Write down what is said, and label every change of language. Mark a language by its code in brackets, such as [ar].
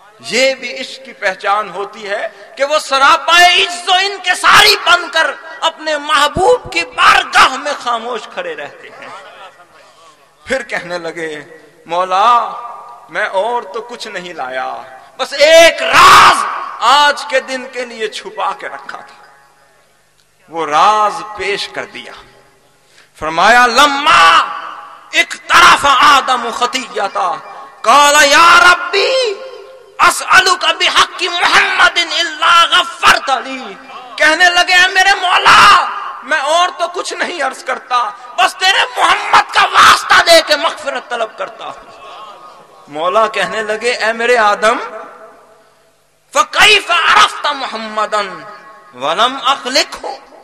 [ur] یہ بھی عشق کی پہچان ہوتی ہے کہ وہ سراپائے عجز و انکساری بن کر اپنے محبوب کی بارگاہ میں خاموش کھڑے رہتے ہیں. پھر کہنے لگے مولا میں اور تو کچھ نہیں لایا, بس ایک راز آج کے دن کے لیے چھپا کے رکھا تھا. وہ راز پیش کر دیا. [ar] فرمایا لما اقترف آدم خطیتا قال یا ربی اسألک بحق محمد الا غفرت لی. [ur] کہنے لگے میرے مولا میں اور تو کچھ نہیں عرض کرتا, بس تیرے محمد کا واسطہ دے کے مغفرت طلب کرتا ہوں. مولا کہنے لگے اے میرے آدم فکیف عرفت محمدن ولم اخلق ہو.